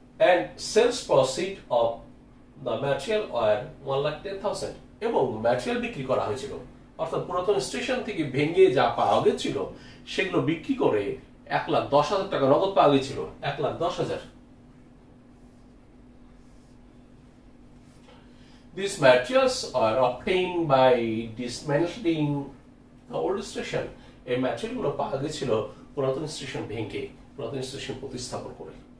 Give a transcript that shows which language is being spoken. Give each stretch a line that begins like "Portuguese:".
English: And sales proceed of the material were 1,10,000
Bangla: এবং material বিক্রি করা হয়েছিল, অর্থাৎ পুরাতন স্টেশন থেকে ভেঙে যা পাওয়া গেছিল সেগুলো বিক্রি করে 1,10,000 টাকা নগদ পাওয়া গেছিল।
English: 1,10,000 These materials are obtained by dismantling the old station.
Bangla: এই ম্যাটেরিয়ালগুলো পাওয়া গেছিল পুরাতন স্টেশন ভেঙে, পুরাতন স্টেশন প্রতিস্থাপন করে।